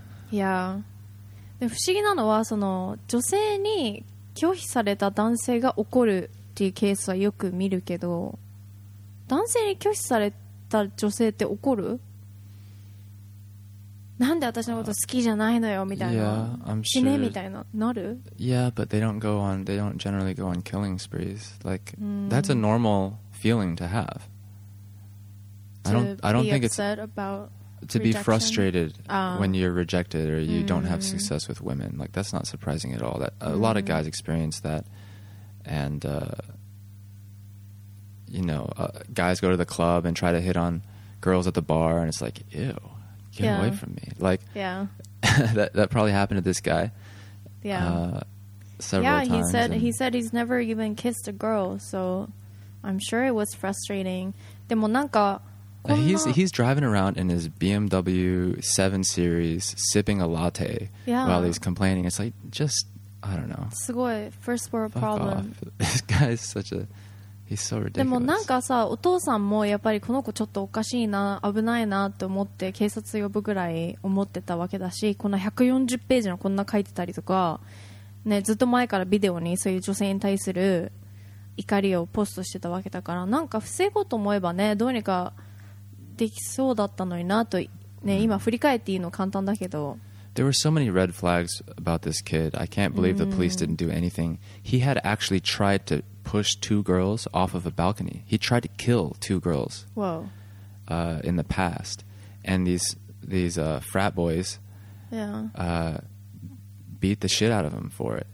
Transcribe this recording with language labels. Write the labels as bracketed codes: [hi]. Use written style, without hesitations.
[ja] いやー不思議なのはその女性に拒否された男性が怒るっていうケースはよく見るけど、男性に拒否された女性って怒る？なんで私のこと好きじゃないのよみたいな、死ねみたいななる？ [en] Yeah, but they don't generally go on killing sprees. Like, that's a normal feeling to have. To be frustrated when you're rejected or you don't have success with women. Like, that's not surprising at all. That, a lot of guys experience that. And, you know, guys go to the club and try to hit on girls at the bar. And it's like, ew, get away from me. Like, that probably happened to this guy. Several times. He said he's never even kissed a girl. So I'm sure it was frustrating. [ja] でもなんか、 [en] He's driving around in his BMW 7 Series, sipping a latte while he's complaining. It's like, just, I don't know. [ja] すごい [en] first world problem. This guy is such a, he's so ridiculous. [ja] でもなんかさ、お父さんもやっぱりこの子ちょっとおかしいな、危ないなって思って警察呼ぶぐらい思ってたわけだし、こんな140ページのこんな書いてたりとか、ね、ずっと前からビデオにそういう女性に対する怒りをポストしてたわけだから、なんか防ごうと思えばね、どうにか、できそうだったのになと、ね、今振り返っていいの簡単だけど。 [en] There were so many red flags about this kid. I can't believe the police didn't do anything. He had actually tried to push two girls off of a balcony. He tried to kill two girls. Whoa. In the past. And these frat boys beat the shit out of him for it.